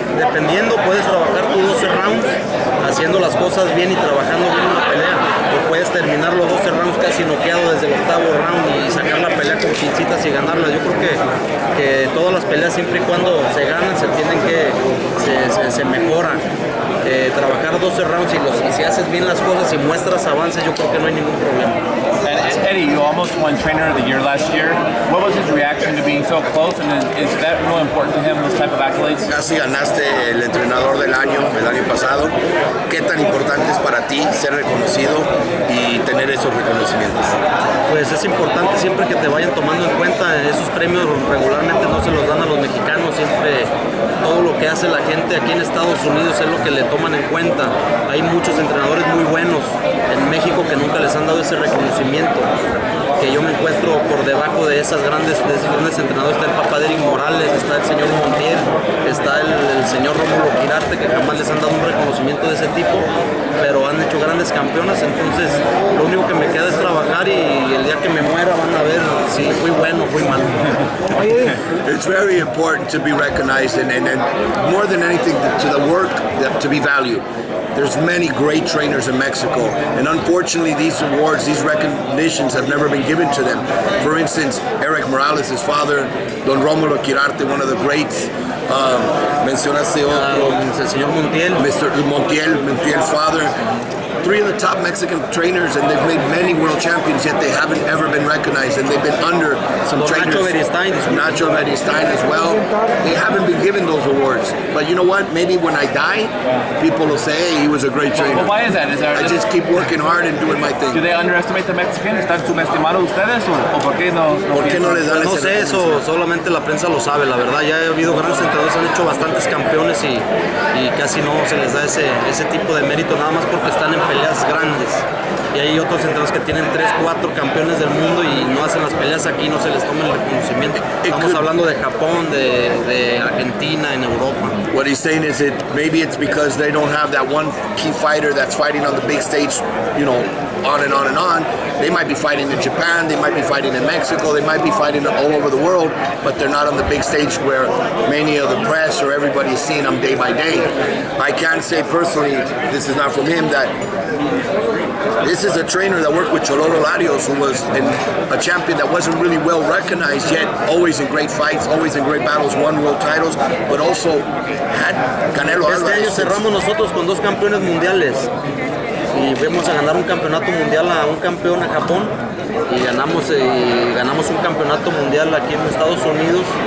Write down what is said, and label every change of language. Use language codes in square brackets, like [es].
[es] Dependiendo, puedes trabajar tus 12 rounds haciendo las cosas bien y trabajando bien una pelea, o puedes terminar los 12 rounds casi noqueado desde el octavo round y sacar la pelea con pinzitas y ganarla. Yo creo que todas las peleas, siempre y cuando se ganan, se tienen que se mejoran. Trabajar 12 rounds y si haces bien las cosas y muestras avances, yo creo que no hay ningún problema. [en] And Eddie, you almost won Trainer of the Year last year. What was his reaction to being so close, and is that really important to him, this type of accolade? [es] Casi ganaste el entrenador del año, el año pasado. ¿Qué tan importante es para ti ser reconocido y tener esos reconocimientos? Pues es importante siempre que te vayan tomando en cuenta. Esos premios regularmente no se los dan a los mexicanos. Siempre todo lo que hace la gente aquí en Estados Unidos es lo que le toman en cuenta. Hay muchos entrenadores muy buenos en México que nunca les han dado ese reconocimiento. Que yo me encuentro por debajo de esas grandes, de esos grandes entrenadores. Está el papá de Eric Morales, está el señor Montiel, está el señor Rómulo Quirarte, que jamás les han dado un reconocimiento de ese tipo, pero han hecho grandes campeones. Entonces lo único que me queda es trabajar, y el día que me muera van a ver si fui bueno o fui malo. [en] It's very important to be recognized, and more than anything to the work to be valued. There's many great trainers in Mexico, and unfortunately these awards, these recognitions have never been given to them. For instance, Eric Morales, his father, Don Romulo Quirarte, one of the greats. [es] Mencionaste otro, el señor Montiel. [en] Mr. Montiel, Montiel's father. Three of the top Mexican trainers, and they've made many world champions, yet they haven't ever been recognized, and they've been under some Don trainers. Nacho Beristain. Nacho Beristain as well. They haven't been given those awards. But you know what? Maybe when I die, people will say, hey, he was a great trainer. But why is that? Is there, I just keep working hard and doing my thing. Do they underestimate the Mexicans? [es] ¿Están subestimados ustedes? ¿O por qué no? ¿Por qué no les dan ese? No sé, eso solamente la prensa lo sabe, la verdad. Ya ha habido grandes entrenadores, han hecho bastantes campeones, y casi no se les da ese tipo de mérito, nada más porque están en peleas grandes. Y hay otros entrenadores que tienen 3-4 campeones del mundo y no hacen las peleas aquí, no se les toma el reconocimiento. Estamos hablando de Japón, de Argentina, en Europa. [en] What he's saying is it maybe it's because they don't have that one key fighter that's fighting on the big stage, you know, on and on and on. They might be fighting in Japan, they might be fighting in Mexico, they might be fighting all over the world, but they're not on the big stage where many of the press or everybody is seeing them day by day. I can say personally, this is not from him, that this is a trainer that worked with Chololo Larios, who was a champion that wasn't really well recognized, yet always in great fights, always in great battles, won world titles, but also had Canelo [es] Alvarez. Este año cerramos nosotros con dos campeones mundiales. Y fuimos a ganar un campeonato mundial a un campeón a Japón, y ganamos un campeonato mundial aquí en Estados Unidos.